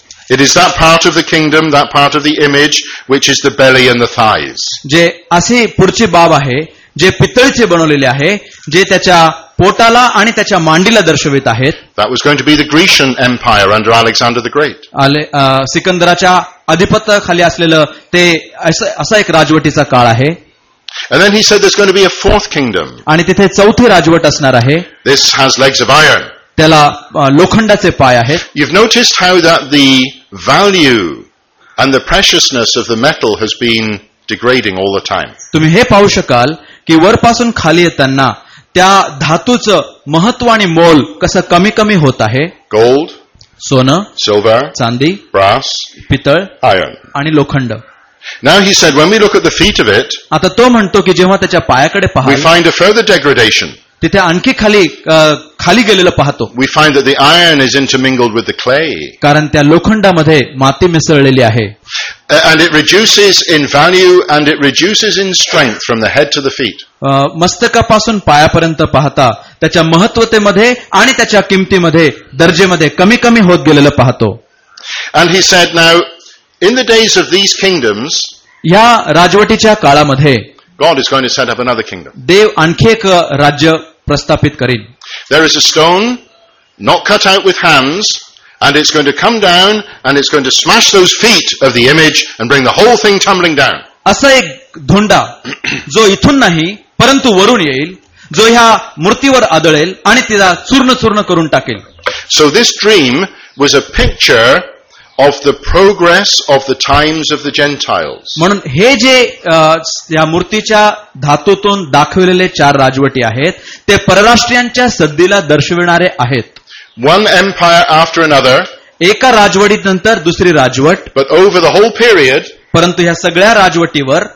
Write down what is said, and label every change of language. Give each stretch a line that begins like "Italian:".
English: It is that part of the kingdom, that part of the image, which is the belly and the thighs.
Marathi: Je ase purche bab ahe je pitalche banavlele ahe je tyacha पोटाला आणि त्याच्या मांडीला दर्शवित आहेत.
English: That was going to be the Grecian empire under Alexander the Great.
Marathi: सिकंदराच्या अधिपत्याखाली असलेलं ते असा एक राजवटीचा काळ आहे.
English: And then he said there's going to be a fourth kingdom.
Marathi: आणि तिथे चौथी राजवट असणार आहे.
English: This has legs of iron.
Marathi: त्याला लोखंडाचे पाय आहेत.
English: You've noticed how that the value and the preciousness of the metal has been degrading all the time.
Marathi: तुम्ही हे पाहू शकाल की वरपासून खाली येताना त्या धातूचं महत्व आणि मोल कसं कमी कमी होत आहे.
English: gold,
Marathi: सोनं,
English: silver,
Marathi: चांदी,
English: brass,
Marathi: पितळ,
English: iron
Marathi: आणि लोखंड.
English: Now he said, when we look at the feet of it,
Marathi: आता तो म्हणतो की जेव्हा त्याच्या पायाकडे पाहतो,
English: we find a further degradation.
Marathi: तिथे आणखी खाली खाली गेलेलं पाहतो.
English: We find that the iron is intermingled with the clay.
Marathi: कारण त्या लोखंडामध्ये माती मिसळलेली आहे.
English: And it reduces in value and it reduces in strength from the head to the feet.
Marathi: मस्तकापासून पायापर्यंत पाहता त्याच्या महत्वतेमध्ये आणि त्याच्या किमतीमध्ये दर्जेमध्ये कमी कमी होत गेलेलं पाहतो.
English: And he said, now in the days of these kingdoms,
Marathi: या राजवटीच्या काळामध्ये
English: God is going to set up another kingdom.
Marathi: देव आणखी एक राज्य प्रस्थापित करेल.
English: There is a stone not cut out with hands, and it's going to come down and it's going to smash those feet of the image and bring the whole thing tumbling down.
Marathi: असा एक धोंडा जो इथून नाही परंतु वरून येईल, जो ह्या मूर्तीवर आदळेल आणि तिला चूर्ण चूर्ण करून टाकेल.
English: So this dream was a picture of the progress of the times of the Gentiles.
Marathi: म्हणून हे जे या मूर्तीच्या धातूतून दाखवलेले चार राजवटी आहेत ते परराष्ट्रीयांच्या सद्दीला दर्शविणारे आहेत.
English: One empire after another.
Marathi: एका राजवटीनंतर दुसरी राजवट.
English: But over the whole period.
Marathi: परंतु ह्या सगळ्या राजवटीवर